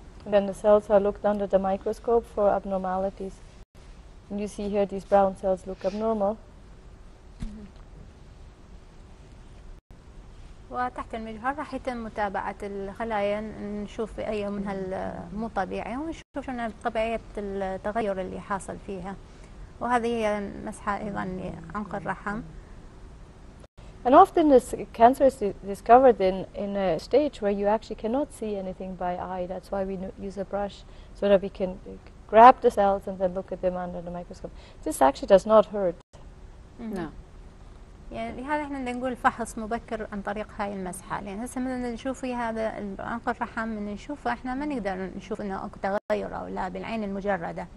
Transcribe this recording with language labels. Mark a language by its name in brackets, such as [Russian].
[English] Then the cells are looked under the microscope for abnormalities. And you see here these brown cells look abnormal. [Arabic] وتحت المجهر راح يتم متابعة الخلايا، نشوف أي منها مو طبيعي ونشوف شنو طبيعية التغير اللي حاصل فيها. وهذه هي مسحة أيضا لعنق الرحم. [English] And often this cancer is discovered in a stage where you actually cannot see anything by eye. That's why we use a brush so that we can grab the cells and then look at them under the microscope. This actually does not hurt. No. [Arabic] يعني لهذا احنا نقول فحص مبكر عن طريق هاي المسحة، لان هسه مثلا نشوف هذا عنق الرحم من نشوفه احنا ما نقدر نشوف انه اكو تغير او لا بالعين المجردة.